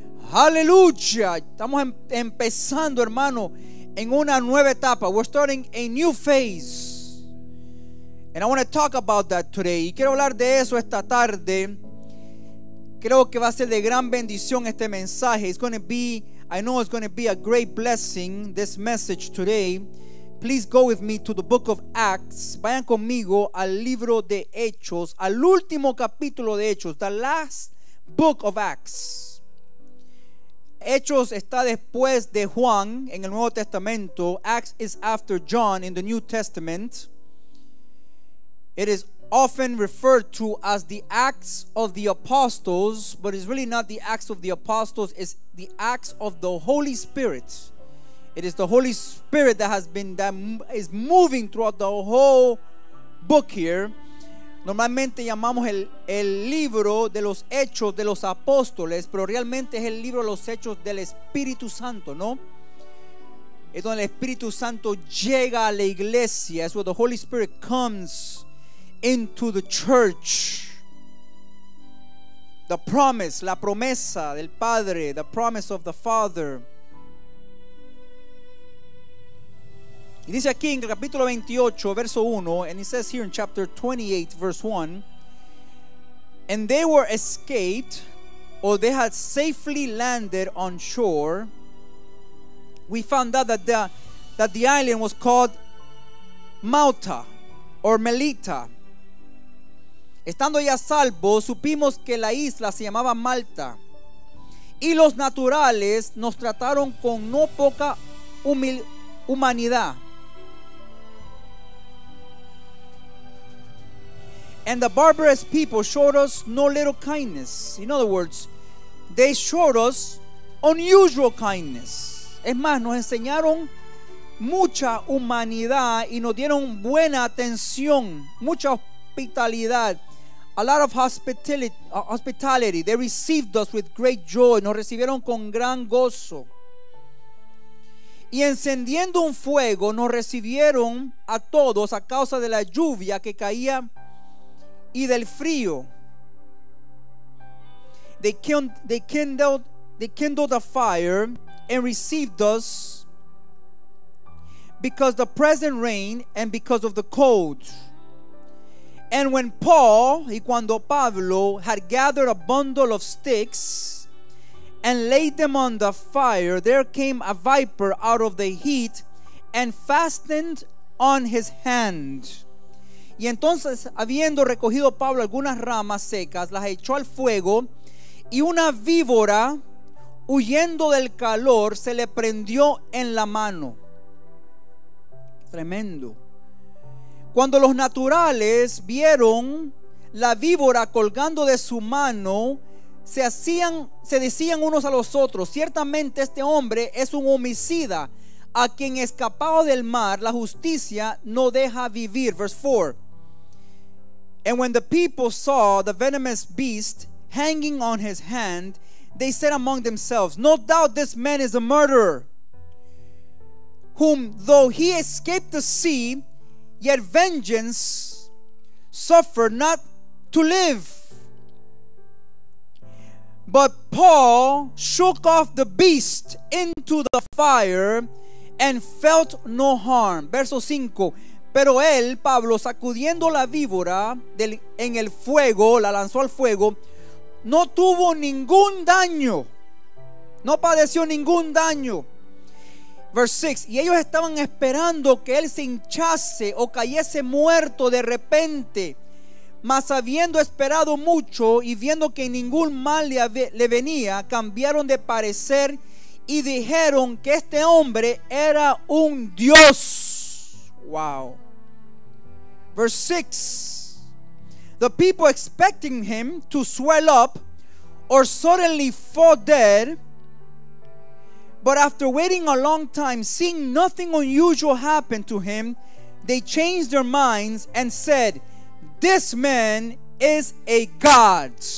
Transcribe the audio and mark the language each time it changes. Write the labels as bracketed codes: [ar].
[es] Hallelujah. Estamos empezando, hermano, en una nueva etapa. [en] We're starting a new phase. And I want to talk about that today. [es] Y quiero hablar de eso esta tarde. Creo que va a ser de gran bendición este mensaje. [en] It's going to be, I know it's going to be a great blessing, this message today. Please go with me to the book of Acts. [es] Vayan conmigo al libro de Hechos, al último capítulo de Hechos, [en] the last book of Acts. [es] Hechos está después de Juan en el Nuevo Testamento. [en] Acts is after John in the New Testament. It is often referred to as the Acts of the Apostles, but it's really not the Acts of the Apostles, it's the Acts of the Holy Spirit. It is the Holy Spirit that has been, that is moving throughout the whole book here. [es] Normalmente llamamos el libro de los hechos de los apóstoles, pero realmente es el libro de los hechos del Espíritu Santo, ¿no? Es donde el Espíritu Santo llega a la iglesia. [en] It's where the Holy Spirit comes into the church. The promise, [es] la promesa del Padre, [en] the promise of the Father. [es] Y dice aquí en el capítulo 28, verso 1, [en] and it says here in chapter 28, verse 1, and they were escaped, or they had safely landed on shore. We found out that the island was called Malta or Melita. [es] Estando ya salvos, supimos que la isla se llamaba Malta. Y los naturales nos trataron con no poca humanidad. [en] And the barbarous people showed us no little kindness. In other words, they showed us unusual kindness. [es] Es más, nos enseñaron mucha humanidad y nos dieron buena atención, mucha hospitalidad. [en] A lot of hospitality. They received us with great joy. [es] Nos recibieron con gran gozo. Y encendiendo un fuego, nos recibieron a todos a causa de la lluvia que caía y del frío. [en] They kindled a fire and received us because the present rain and because of the cold. And when Paul, [es] y cuando Pablo, [en] had gathered a bundle of sticks and laid them on the fire, there came a viper out of the heat and fastened on his hand. [es] Y entonces, habiendo recogido Pablo algunas ramas secas, las echó al fuego, y una víbora, huyendo del calor, se le prendió en la mano. Tremendo. Cuando los naturales vieron la víbora colgando de su mano, se decían unos a los otros: ciertamente este hombre es un homicida, a quien, escapado del mar, la justicia no deja vivir. [en] Verse 4. And when the people saw the venomous beast hanging on his hand, they said among themselves, no doubt this man is a murderer, whom though he escaped the sea, yet vengeance suffered not to live. But Paul shook off the beast into the fire and felt no harm. [es] Verso 5. Pero él, Pablo, sacudiendo la víbora en el fuego, la lanzó al fuego, no tuvo ningún daño, no padeció ningún daño. [en] Verse 6. [es] Y ellos estaban esperando que él se hinchase o cayese muerto de repente. Mas habiendo esperado mucho y viendo que ningún mal le venía, cambiaron de parecer y dijeron que este hombre era un dios. [en] Wow. Verse 6. The people expecting him to swell up or suddenly fall dead, but after waiting a long time, seeing nothing unusual happen to him, they changed their minds and said, this man is a god.